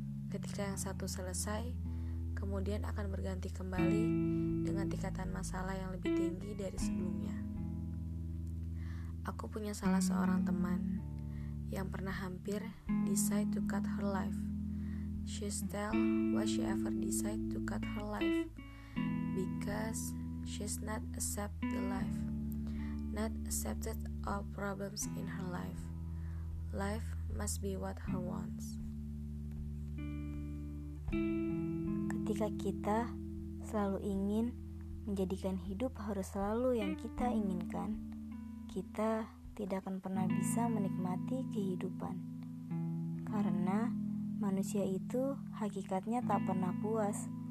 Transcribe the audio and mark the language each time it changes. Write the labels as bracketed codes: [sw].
[id] Ketika yang satu selesai, kemudian akan berganti kembali dengan tingkatan masalah yang lebih tinggi dari sebelumnya. Aku punya salah seorang teman yang pernah hampir [en] decide to cut her life. She tell why she ever decide to cut her life because she's not accept the life. Not accepted all problems in her life. Life must be what her wants. [id] Ketika kita selalu ingin menjadikan hidup harus selalu yang kita inginkan, kita tidak akan pernah bisa menikmati kehidupan. Karena manusia itu hakikatnya tak pernah puas.